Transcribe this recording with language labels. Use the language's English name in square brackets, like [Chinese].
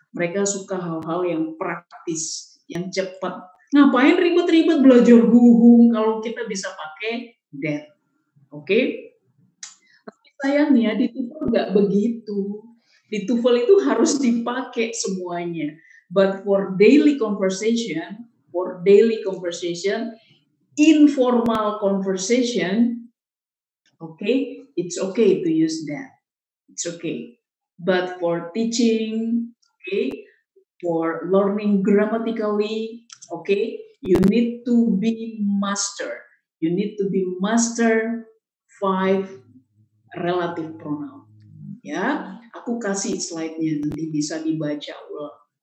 [Indonesian] Mereka suka hal-hal yang praktis, yang cepat. Ngapain ribet-ribet belajar hubung kalau kita bisa pakai that. Okay? Tapi sayangnya di TOEFL gak begitu. Di TOEFL itu harus dipakai semuanya. [English] But for daily conversation, informal conversation, okay, it's okay to use that. It's okay. But for teaching, okay, for learning grammatically, okay, you need to be master 5 relative pronoun. [Indonesian] Ya, yeah? Aku kasih slide-nya, nanti bisa dibaca ulang.